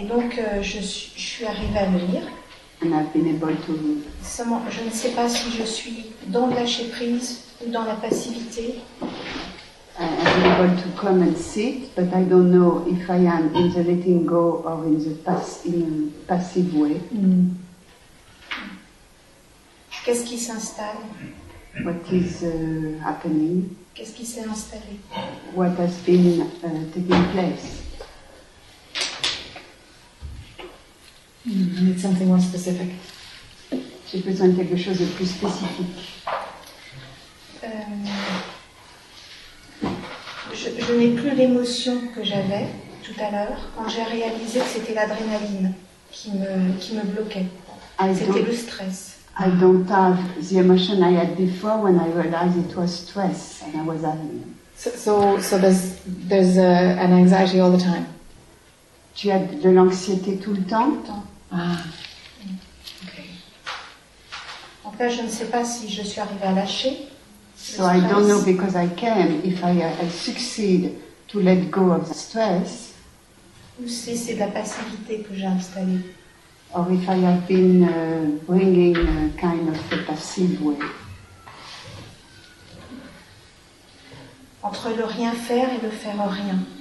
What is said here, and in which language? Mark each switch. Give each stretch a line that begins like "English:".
French: Et donc je suis arrivée à le lire.
English: And I've been able to.
French: Seulement, je ne sais pas si je suis dans le lâcher prise ou dans la passivité.
English: I'm able to come and sit, but I don't know if I am in the letting go or in the passive way. Mm.
French: Qu'est-ce qui s'installe?
English: What is happening?
French: Qu'est-ce qui s'est installé?
English: What has been taking place? I need something more specific.
French: J'ai besoin de quelque chose de plus spécifique. Je n'ai plus l'émotion que j'avais tout à l'heure quand j'ai réalisé que c'était l'adrénaline qui me bloquait. C'était le stress.
English: I don't have the emotion I had before when I realized it was stress and I was having it. So there's an anxiety all the time.
French: Tu as de l'anxiété tout le temps? Tout le temps. Ah.
English: Okay.
French: En fait, je ne sais pas si je suis arrivée à lâcher.
English: So I don't know because I came if I succeed to let go of the stress.
French: Ou si c'est de la passivité que j'ai installée.
English: Or if I have been bringing a kind of a passive way.
French: Entre le rien faire et le faire rien.